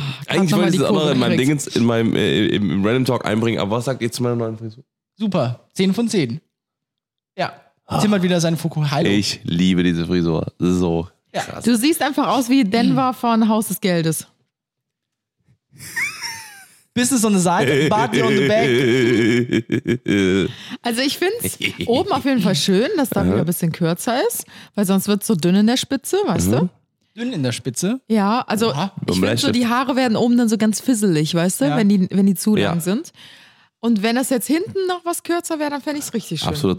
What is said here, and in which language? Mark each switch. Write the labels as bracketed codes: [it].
[de] Ach, eigentlich wollte ich das auch noch in meinem Dingens, in meinem im Random Talk einbringen, aber was sagt ihr zu meiner neuen Frisur? Super, 10 von 10. Ja, Tim hat wieder seinen Fokus. Hallo. Ich liebe diese Frisur, so krass. Du siehst einfach aus wie Denver von Haus des Geldes. [en] Business on the side, party on the back. [de] Also ich finde es oben auf jeden Fall schön, dass da wieder ein bisschen kürzer ist, weil sonst wird es so dünn in der Spitze, weißt du? Dünn in der Spitze? Ja, also ich finde so, die Haare werden oben dann so ganz fisselig, weißt du, wenn die zu lang sind. Und wenn das jetzt hinten noch was kürzer wäre, dann fände ich es richtig schön.